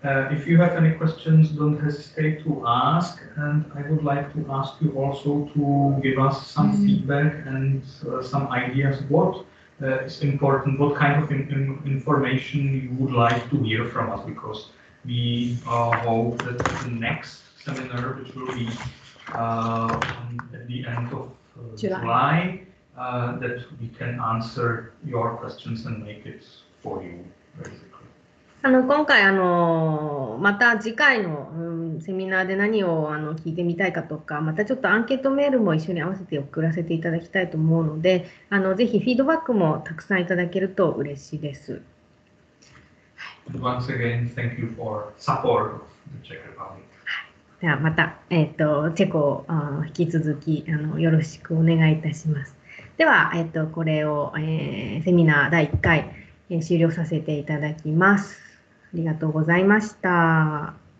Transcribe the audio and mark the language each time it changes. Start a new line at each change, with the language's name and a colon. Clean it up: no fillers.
English: If you have any questions, don't hesitate to ask, and I would like to ask you also to give us some feedback and some ideas whatIt's important what kind of information you would like to hear from us, because we hope that the next seminar, which will be at the end of July, that we can answer your questions and make it for you, basically.
Japanese: 今回また次回の、セミナーで何を聞いてみたいかとか、またちょっとアンケートメールも一緒に合わせて送らせていただきたいと思うので、ぜひフィードバックもたくさんいただけると嬉しいです。
English: Once again, thank you for support of the Czech Republic.
Japanese: ではまた、チェコを引き続きよろしくお願いいたします。ではこれを、セミナー第1回、終了させていただきます。ありがとうございました。